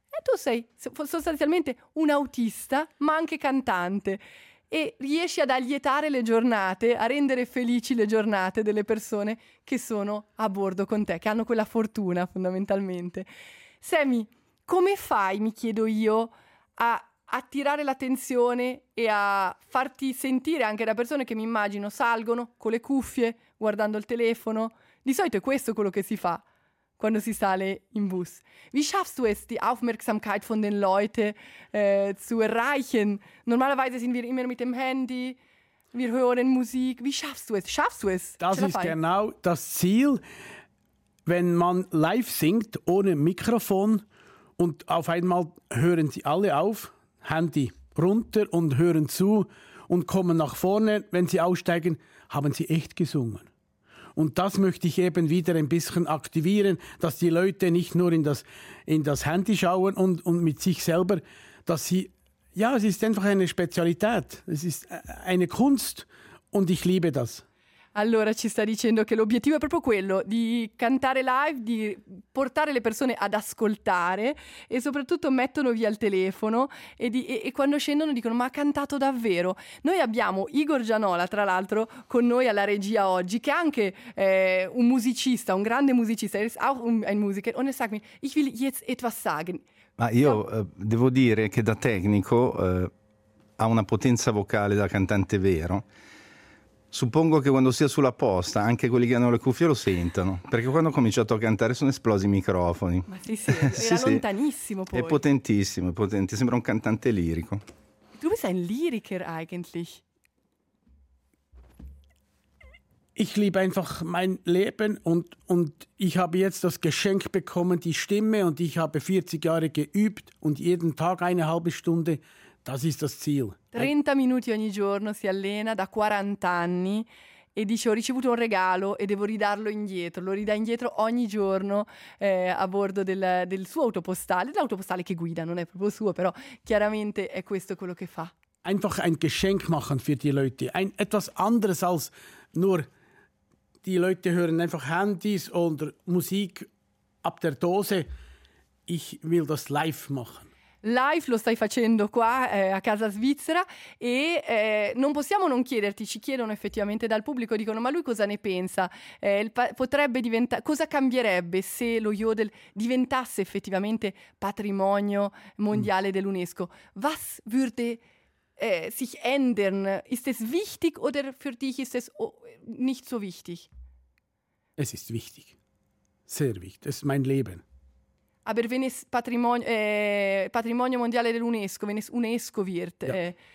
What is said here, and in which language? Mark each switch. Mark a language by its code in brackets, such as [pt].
[it] E tu sei sostanzialmente un autista, ma anche cantante, e riesci ad allietare le giornate, a rendere felici le giornate delle persone che sono a bordo con te, che hanno quella fortuna fondamentalmente. Sammy, come fai, mi chiedo io, a attirare l'attenzione e a farti sentire anche da persone che mi immagino salgono con le cuffie, guardando il telefono? Di solito è questo quello che si fa. Quando si sale in bus. [de] Wie schaffst du es, die Aufmerksamkeit von den Leuten zu erreichen? Normalerweise sind wir immer mit dem Handy, wir hören Musik. Wie schaffst du es? Schaffst du es? Das ist genau das Ziel, wenn man live singt, ohne Mikrofon, und auf einmal hören sie alle auf, Handy runter und hören zu und kommen nach vorne. Wenn sie aussteigen, haben sie echt gesungen. Und das möchte ich eben wieder ein bisschen aktivieren, dass die Leute nicht nur in das Handy schauen und mit sich selber, dass sie, ja, es ist einfach eine Spezialität, es ist eine Kunst und ich liebe das. [it] Allora ci sta dicendo che l'obiettivo è proprio quello di cantare live, di portare le persone ad ascoltare e soprattutto mettono via il telefono e quando scendono dicono ma ha cantato davvero. Noi abbiamo Igor Gianola tra l'altro con noi alla regia oggi, che è anche un musicista, un grande musicista, [de] er ist auch ein Musiker, und er sagt mir, ich will jetzt etwas sagen. [it] Ma io devo dire che da tecnico ha una potenza vocale da cantante vero, suppongo che quando sia sulla posta anche quelli che hanno le cuffie lo sentano, perché quando ho cominciato a cantare sono esplosi i microfoni. Ma sì, sì, era lontanissimo poi. È potentissimo, sembra un cantante lirico. [de] Du bist ein Lyriker eigentlich. Ich liebe einfach mein Leben und ich habe jetzt das Geschenk bekommen, die Stimme, und ich habe 40 Jahre geübt und jeden Tag eine halbe Stunde, das ist das Ziel. [it] 30 minuti ogni giorno si allena da 40 anni e dice: ho ricevuto un regalo e devo ridarlo indietro. Lo ridà indietro ogni giorno a bordo del suo autopostale, l'autopostale che guida, non è proprio suo, però chiaramente è questo quello che fa. [de] Einfach ein Geschenk machen für die Leute, etwas anderes als nur die Leute hören einfach Handys oder Musik ab der Dose. Ich will das live machen. [it] Live lo stai facendo qua a casa svizzera e non possiamo non chiederti, ci chiedono effettivamente dal pubblico, dicono: ma lui cosa ne pensa? Potrebbe diventare, cosa cambierebbe se lo Jodel diventasse effettivamente patrimonio mondiale dell'UNESCO? [de] Was würde sich ändern? Ist es wichtig oder für dich ist es nicht so wichtig? Es ist wichtig. Sehr wichtig. Es ist mein Leben. Aber wenn es [it] Patrimonio Mondiale dell'UNESCO, [de] wenn es UNESCO wird, ja.